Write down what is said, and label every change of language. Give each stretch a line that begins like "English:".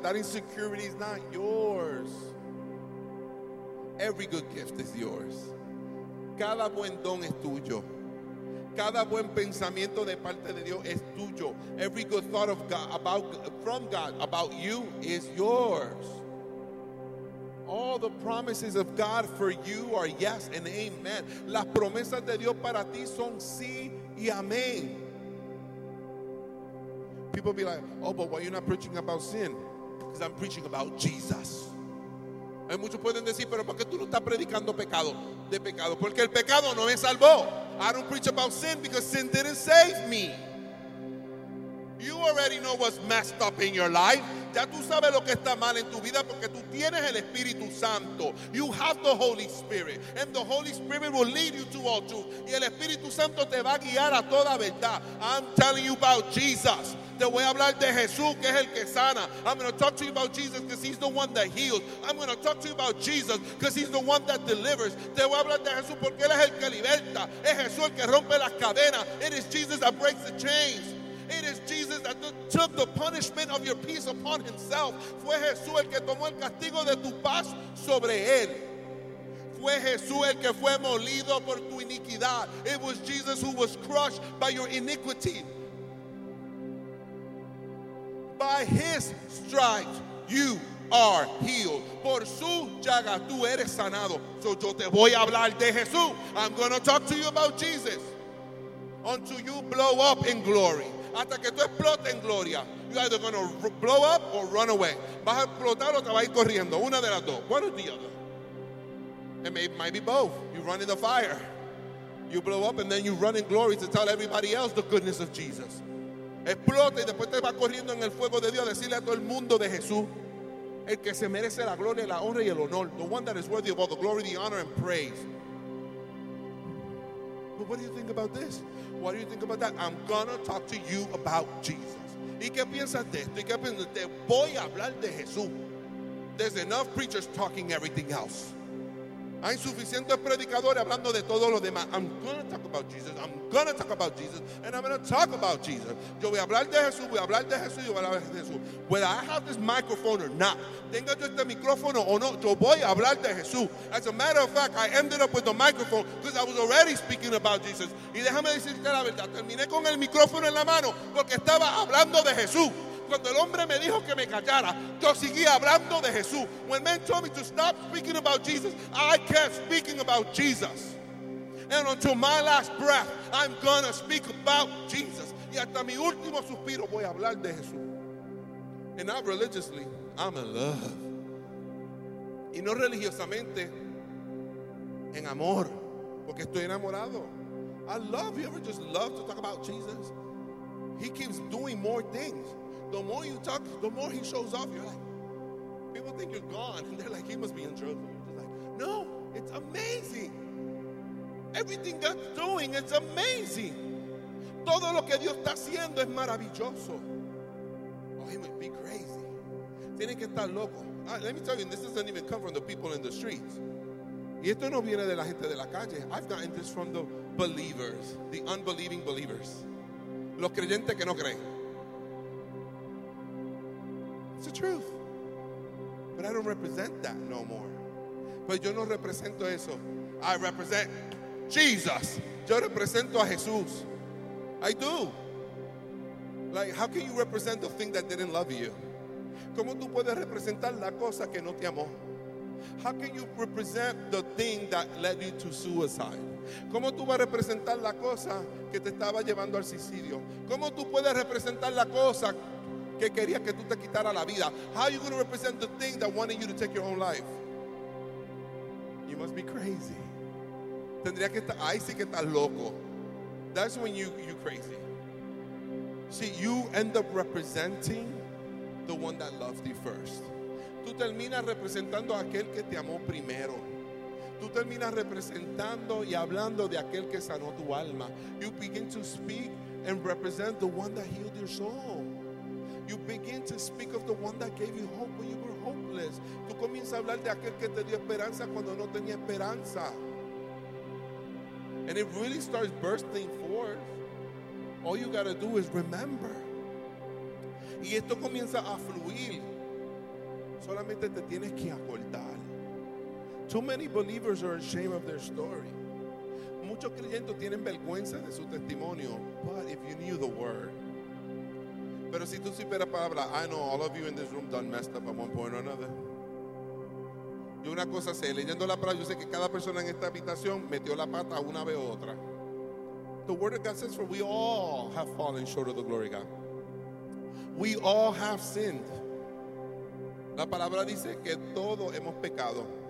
English: That insecurity is not yours. Every good gift is yours.
Spanish: Cada buen don es tuyo. Cada buen pensamiento de parte de Dios es tuyo.
English: Every good thought of God about from God about you is yours. All the promises of God for you are yes and amen.
Spanish: Las promesas de Dios para ti son sí y amén.
English: People be like, oh, but why are you not preaching about sin? Because I'm preaching about Jesus.
Spanish: Hay muchos pueden decir, pero ¿por qué tú no estás predicando pecado? De pecado, porque el pecado no me salvó.
English: I don't preach about sin because sin didn't save me. You already know what's messed up in your life.
Spanish: Ya tú sabes lo que está mal en tu vida porque tú tienes el Espíritu Santo.
English: You have the Holy Spirit. And the Holy Spirit will lead you to all truth.
Spanish: Y el Espíritu Santo te va a guiar a toda verdad.
English: I'm telling you about Jesus.
Spanish: Te voy a hablar de Jesús, que es el que sana.
English: I'm going to talk to you about Jesus because he's the one that heals. I'm going to talk to you about Jesus because he's the one that delivers.
Spanish: Te voy a hablar de Jesús porque él es el que liberta. Es Jesús el que rompe las cadenas.
English: It is Jesus that breaks the chains. It is Jesus that took the punishment of your peace upon himself.
Spanish: Fue Jesús el que tomó el castigo de tu paz sobre él. Fue Jesús el que fue molido por tu iniquidad.
English: It was Jesus who was crushed by your iniquity. By his stripes you are healed.
Spanish: Por su llaga tú eres sanado. So yo te voy a hablar de Jesús.
English: I'm going to talk to you about Jesus. Until you blow up in glory.
Spanish: Hasta que tú explotes en gloria.
English: You're either going to blow up or run away.
Spanish: Vas a explotar o te vas a ir corriendo. Una de las dos.
English: One or the other. It might be both. You run in the fire. You blow up and then you run in glory to tell everybody else the goodness of Jesus.
Spanish: Explota y después te va corriendo en el fuego de Dios a decirle a todo el mundo de Jesús, el que se merece la gloria, la honra y el honor,
English: the one that is worthy of all the glory, the honor and praise. But what do you think about this? What do you think about that? I'm gonna talk to you about Jesus.
Spanish: ¿Y qué piensas de esto? ¿Y qué piensas? Te voy a hablar de Jesús.
English: There's enough preachers talking everything else.
Spanish: Hay suficientes predicadores hablando de todo lo demás.
English: I'm going to talk about Jesus. I'm going to talk about Jesus. And I'm going to talk about Jesus.
Spanish: Yo voy a hablar de Jesús.
English: Voy a hablar de Jesús. Yo voy a hablar de Jesús. Whether I have this microphone or not.
Spanish: Tenga yo este micrófono o no. Yo voy a hablar de Jesús.
English: As a matter of fact, I ended up with the microphone because I was already speaking about Jesus.
Spanish: Y déjame decirte la verdad. Terminé con el micrófono en la mano porque estaba hablando de Jesús. Cuando el hombre me dijo que me callara, yo seguí hablando de Jesús.
English: When men told me to stop speaking about Jesus, I kept speaking about Jesus. And until my last breath, I'm going to speak about Jesus.
Spanish: Y hasta mi último suspiro voy a hablar de Jesús.
English: And not religiously, I'm in love.
Spanish: Y no religiosamente, en amor, porque estoy enamorado.
English: I love, you ever just love to talk about Jesus? He keeps doing more things. The more you talk, the more he shows off. You're like, people think you're gone. And they're like, he must be in trouble. You're just like, no, it's amazing. Everything God's doing is amazing.
Spanish: Todo lo que Dios está haciendo es maravilloso.
English: Oh, he must be crazy.
Spanish: Tiene que estar loco.
English: Let me tell you, this doesn't even come from the people in the streets.
Spanish: Y esto no viene de la gente de la calle.
English: I've gotten this from the believers, the unbelieving believers.
Spanish: Los creyentes que no creen.
English: It's the truth. But I don't represent that no more. But
Spanish: yo no represento eso.
English: I represent Jesus.
Spanish: Yo represento a Jesús.
English: I do. Like, how can you represent the thing that didn't love you?
Spanish: ¿Cómo tú puedes representar la cosa que no te amó?
English: How can you represent the thing that led you to suicide?
Spanish: ¿Cómo tú vas a representar la cosa que te estaba llevando al suicidio? ¿Cómo tú puedes representar la cosa que quería que tú te quitara la vida?
English: How are you going to represent the thing that wanted you to take your own life? You must be crazy.
Spanish: Tendría que estar, ahí sí que estás loco.
English: That's when you crazy. See, you end up representing the one that loved you first.
Spanish: Tú terminas representando a aquel que te amó primero. Tú terminas representando y hablando de aquel que sanó tu alma.
English: You begin to speak and represent the one that healed your soul. You begin to speak of the one that gave you hope when you were hopeless.
Spanish: Tú comienzas a hablar de aquel que te dio esperanza cuando no tenía esperanza.
English: And it really starts bursting forth. All you got to do is remember.
Spanish: Y esto comienza a fluir. Solamente te tienes que acordar.
English: Too many believers are ashamed of their story.
Spanish: Muchos creyentes tienen vergüenza de su testimonio.
English: But if you knew the word.
Spanish: Pero si tú supieras palabra,
English: I know all of you in this room done messed up at one point or another.
Spanish: Yo una cosa sé, leyendo la palabra, yo sé que cada persona en esta habitación metió la pata una vez u otra.
English: The word of God says, for we all have fallen short of the glory of God. We all have sinned.
Spanish: La palabra dice que todos hemos pecado.